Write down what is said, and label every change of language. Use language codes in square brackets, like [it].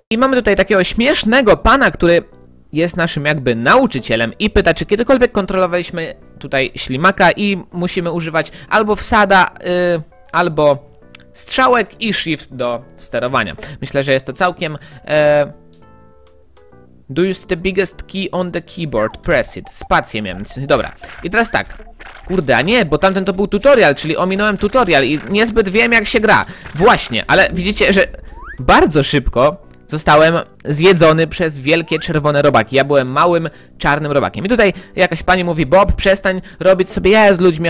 [pl] I mamy tutaj takiego śmiesznego pana, który jest naszym jakby nauczycielem i pyta, czy kiedykolwiek kontrolowaliśmy tutaj ślimaka i musimy używać albo wsada, albo... strzałek i shift do sterowania. Myślę, że jest to całkiem... [en] Do you see the biggest key on the keyboard? Press it. [pl] Spację miałem. Dobra. I teraz tak. Kurde, a nie, bo tamten to był tutorial, czyli ominąłem tutorial i niezbyt wiem jak się gra. Właśnie, ale widzicie, że bardzo szybko zostałem zjedzony przez wielkie czerwone robaki. Ja byłem małym czarnym robakiem. I tutaj jakaś pani mówi, Bob, przestań robić sobie jaja z ludźmi.